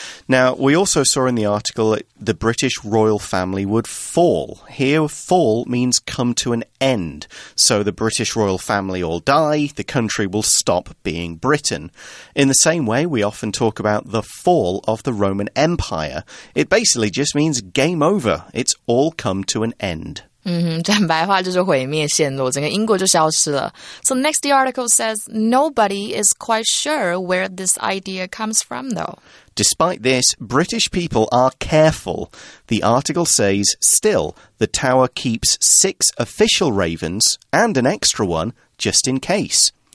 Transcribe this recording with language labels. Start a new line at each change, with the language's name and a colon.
English: Now, we also saw in the article that the British royal family would fall. Here, fall means come to an end. So the British royal family all die, the country will stop being Britain. In the same way, we often talk about the fall of the Roman Empire. It basically just means game over. It's all come to an end.
Chinese: 嗯，讲白话就是毁灭陷落，整个英国就消失了。
English: So next, the article says nobody is quite sure where this idea comes from, though. Despite this, British people are careful. The article says, still, the tower keeps six official ravens and an extra one just in case.